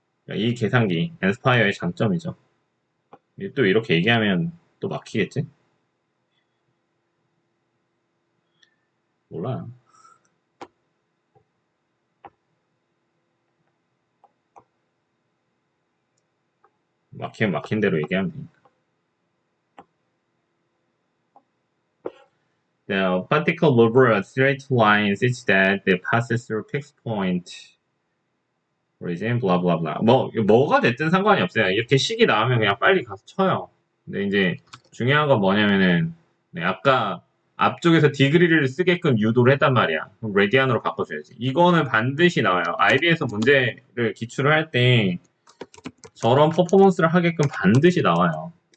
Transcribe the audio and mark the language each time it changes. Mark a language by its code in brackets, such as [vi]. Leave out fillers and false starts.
[ko] 이 계산기, 엔스파이어의 장점이죠. 또 이렇게 얘기하면 또 막히겠지? 몰라요. 막히면 막힌 대로 얘기하면 되니까. [en] The particle moves a straight line such that it passes through fixed point. Reason, blah, blah, blah. [ko] 뭐가 됐든 상관이 없어요. 이렇게 식이 나오면 그냥 빨리 가서 쳐요. 근데 이제 중요한 건 뭐냐면은, 네, 아까 앞쪽에서 디그리를 쓰게끔 유도를 했단 말이야. 그럼 레디안으로 바꿔줘야지. 이거는 반드시 나와요. IB에서 문제를 기출을 할때 저런 퍼포먼스를 하게끔 반드시 나와요.